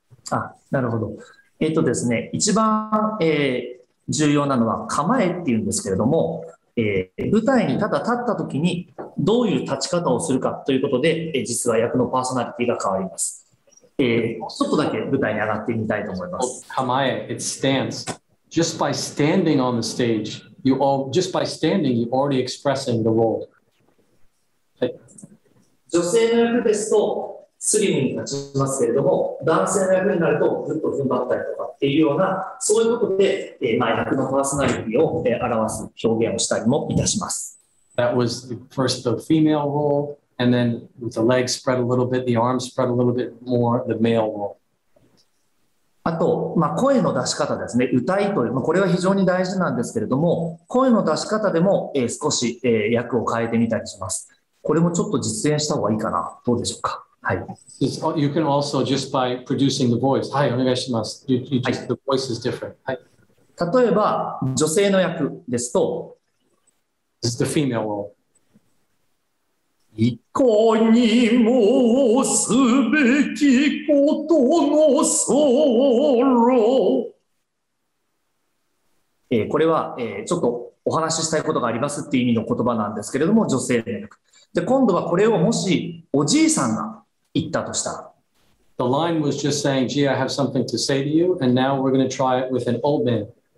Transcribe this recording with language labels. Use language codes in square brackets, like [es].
[ja] あ、なるほど。ですね、一番、重要なのは構えっていうんですけれども、舞台にただ立ったときに、どういう立ち方をするかということで、実は役のパーソナリティが変わります。 [en] Kamae, it's stance. Just by standing on the stage, you already expressing the role. [ja] 女性の役ですとスリムに立ちますけれども、男性の役になるとずっと踏ん張ったりとかっていうような、そういうことで、役のパーソナリティを、表す表現をしたりもいたします。 [en] That was first the female role. And then with the legs spread a little bit, the arms spread a little bit more, the male role. [ja] あと、まあ、声の出し方ですね。歌いという、まあ、これは非常に大事なんですけれども、声の出し方でも、少し、役を変えてみたりします。これもちょっと実演した方がいいかな。どうでしょうか。はい。 [en] You can also just by producing the voice. [ja] はい、お願いします。 [en] The voice is different. [ja] はい。例えば、女性の役ですと、 [en] This is the female role. [ja] いかにもすべきことのソロ、これは、ちょっとお話ししたいことがありますっていう意味の言葉なんですけれども、女性の役。で、今度はこれをもしおじいさんが言ったとしたら。 [en] The line was just saying, gee, I have something to say to you, and now we're going to try it with an old man.